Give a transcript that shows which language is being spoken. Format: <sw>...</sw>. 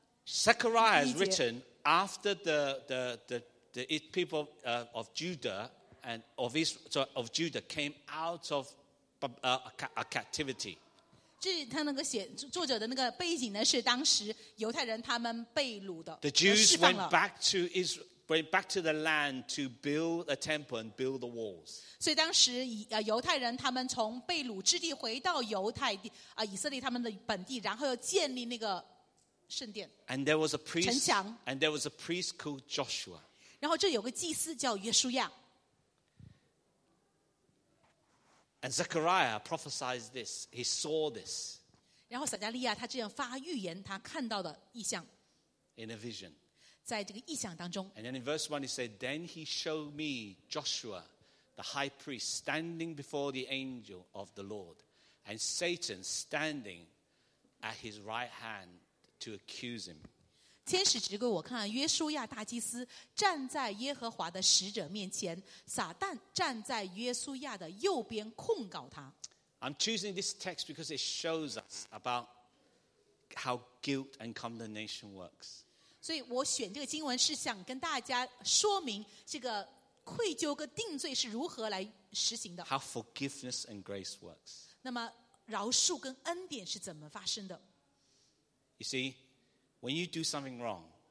<en>Zechariah is written after the people of Judah. And of Judah came out of a captivity.</en> <zh>这他那个写作者的那个背景呢，是当时犹太人他们被掳的。</zh> <en>The Jews went back to the land to build a temple and build the walls.</en> <zh>所以当时犹太人他们从被掳之地回到犹太地以色列他们的本地，然后又建立那个圣殿。</zh> <en>And there was a priest,</en> <zh>城墙。</zh> <en>And there was a priest called Joshua.</en> <zh>然后这有个祭司叫约书亚。</zh> <en>And Zechariah prophesied this. He saw this.</en> <zh>然后撒迦利亚他这样发预言，他看到的异象。</zh> <en>In a vision.</en> <zh>在这个异象当中。</zh> <en>And then in verse 1 he said, Then he showed me Joshua, the high priest, standing before the angel of the Lord, and Satan standing at his right hand to accuse him.</en> <zh>天使指给我看，约书亚大祭司站在耶和华的使者面前，撒旦站在约书亚的右边控告他。</zh> <en>I'm choosing this text because it shows us about how guilt and condemnation works.</en> <zh>所以我选这个经文是想跟大家说明这个愧疚跟定罪是如何来实行的。</zh> <en>How forgiveness and grace works.</en> <zh>那么饶恕跟恩典是怎么发生的？</zh> <en>You see, when you do something wrong,</en>